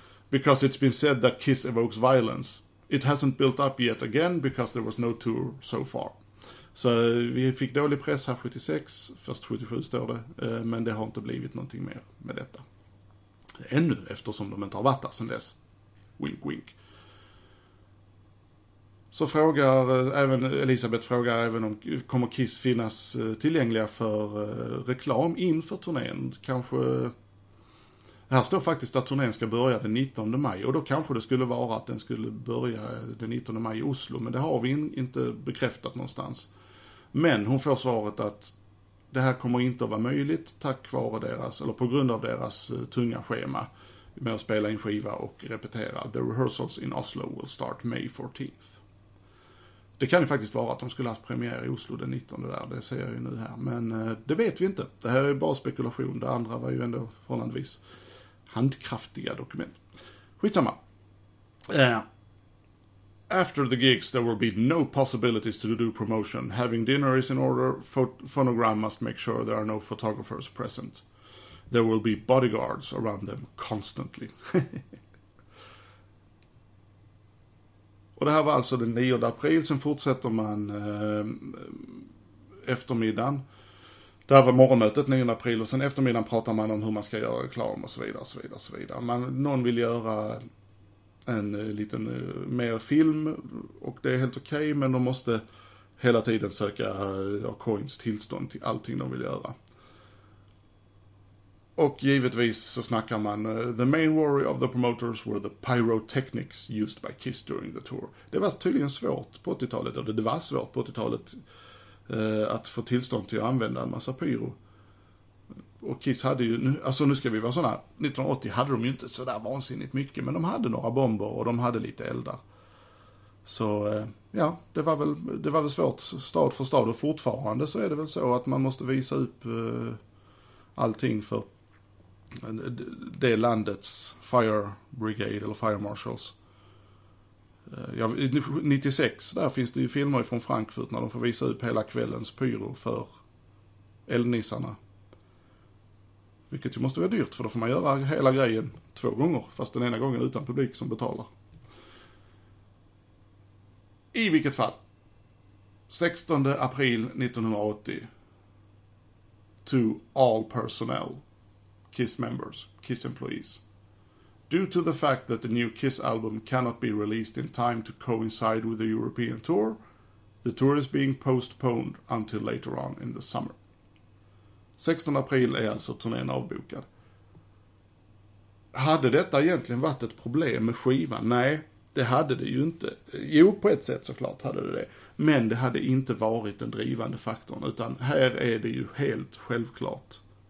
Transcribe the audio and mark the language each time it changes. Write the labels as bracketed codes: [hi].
[en] Because it's been said that Kiss evokes violence. It hasn't built up yet again because there was no tour so far. [sv] Så vi fick dålig press här 76, först 77 står det. Men det har inte blivit någonting mer med detta. Ännu, eftersom de inte har varit där sedan dess. Wink, wink. Så frågar även Elisabeth, frågar även om kommer Kiss finnas tillgängliga för reklam inför turnén. Kanske, här står faktiskt att turnén ska börja den 19 maj. Och då kanske det skulle vara att den skulle börja den 19 maj i Oslo. Men det har vi inte bekräftat någonstans. Men hon får svaret att det här kommer inte att vara möjligt tack vare deras, eller på grund av deras tunga schema med att spela in skiva och repetera. [en] The rehearsals in Oslo will start May 14th. [sv] Det kan ju faktiskt vara att de skulle haft premiär i Oslo den 19 där, det ser jag ju nu här. Men det vet vi inte, det här är bara spekulation, det andra var ju ändå förhållandevis handkraftiga dokument. Skitsamma. [en] After the gigs there will be no possibilities to do promotion. Having dinner is in order, Phonogram must make sure there are no photographers present. There will be bodyguards around them constantly. [sv] Och det här var alltså den 9 april, sen fortsätter man eftermiddagen. Det här var morgonmötet 9 april och sen eftermiddagen pratar man om hur man ska göra reklam och så vidare, så vidare, så vidare. Någon vill göra en liten mer film och det är helt okej, men de måste hela tiden söka Coins tillstånd till allting de vill göra. Och givetvis så snackar man, [en] the main worry of the promoters were the pyrotechnics used by Kiss during the tour. [sv] Det var tydligen svårt på 80-talet, eller det var svårt på 80-talet att få tillstånd till att använda en massa pyro. Och Kiss hade ju, alltså nu ska vi vara sådana, 1980 hade de ju inte så där vansinnigt mycket, men de hade några bomber och de hade lite eldar. Så ja, det var väl svårt stad för stad, och fortfarande så är det väl så att man måste visa upp allting för det landets fire brigade eller fire marshals. Ja, 96, där finns det ju filmer från Frankfurt när de får visa upp hela kvällens pyro för eldnissarna. Vilket ju måste vara dyrt, för då får man göra hela grejen två gånger, fast den ena gången utan publik som betalar. I vilket fall, [en] 16 april 1980, to all personnel, KISS members, KISS employees, due to the fact that the new KISS album cannot be released in time to coincide with the European tour, the tour is being postponed until later on in the summer. [sv] 16 april är alltså turnén avbokad. Hade detta egentligen varit ett problem med skivan? Nej, det hade det ju inte. Jo, på ett sätt såklart hade det det. Men det hade inte varit den drivande faktorn. Utan här är det ju helt självklart.